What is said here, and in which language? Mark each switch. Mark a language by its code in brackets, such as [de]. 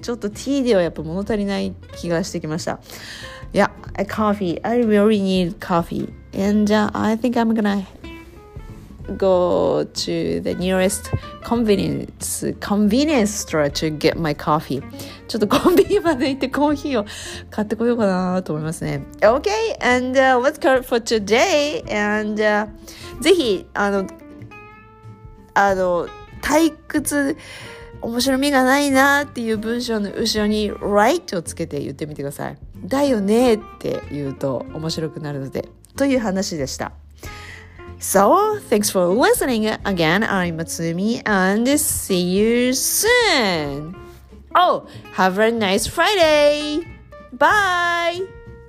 [ja] ちょっと tea ではやっぱ物足りない気がしてきました。 [en] Yeah, a coffee. I really need coffee. And I think I'm gonna go to the nearest convenience store to get my coffee. [ja] ちょっとコンビニまで行ってコーヒーを買ってこようかなと思いますね。 [en] Okay, and let's go for today. [ja] And ぜひ、退屈、面白みがないなっていう文章の後ろに right をつけて言ってみてください。だよねって言うと面白くなるので、という話でした。 [en] So, thanks for listening again. I'm Matsumi and see you soon. Oh, have a nice Friday. Bye.